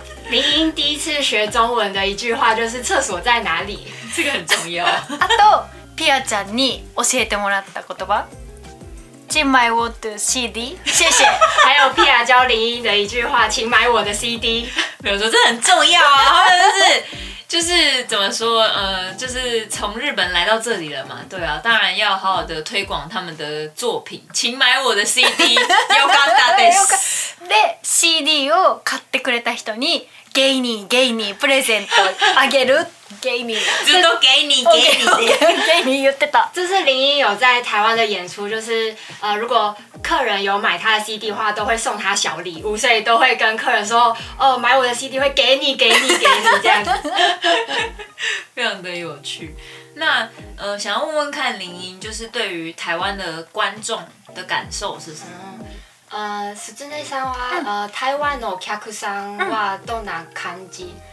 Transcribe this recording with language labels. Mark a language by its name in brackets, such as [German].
[Chinese] 林英第一次学中文的一句话就是厕所在哪里，这个很重要。 [Japanese] あとピアちゃんに教えてもらった言葉。 [Chinese] 请买我的 CD， 谢谢。还有 Pia 教林英的一句话，请买我的 CD。没有说这很重要啊，就是怎么说，就是从日本来到这里了嘛，对啊，当然要好好的推广他们的作品，请买我的 CD。 [Japanese] よかったです。で、CD を買ってくれた人にゲイニーゲイニープレゼントあげる。 [Chinese] 给你，ずっと给你，给你，给你， [Japanese] 言ってた。 [Chinese] 这是林英有在台湾的演出，就是如果客人有买他的 CD 的话，都会送他小礼物，所以都会跟客人说，哦，买我的 CD 会给你，给你，给你，这样子。非常的有趣。那想要问问看林英，就是对于台湾的观众的感受是什么？ [Japanese] 室内さんは、台湾のお客さんはどんな感じ？